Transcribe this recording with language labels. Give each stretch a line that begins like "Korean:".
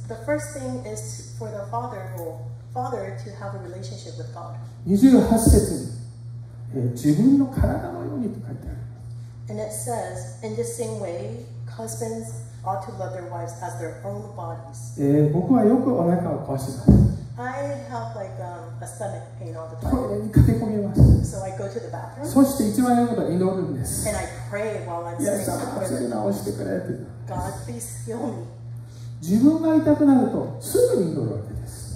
English: The first thing is for the father to have a relationship with God.
Japanese: 28節に、自分の体のようにと書いてある。
English: And it says, in the same way, husbands ought to love their wives as their own bodies.
Japanese: 僕はよくお腹を壊します。
English: I have like a stomach pain all the time.
Japanese: トイレに駆け込みます。
English: So I go to the bathroom.
Japanese: そして一番嫌なことは祈るんです。
English: And I pray while I'm sitting in the bathroom. God, please heal me.
Japanese: 自分が痛くなるとすぐに祈るわけです。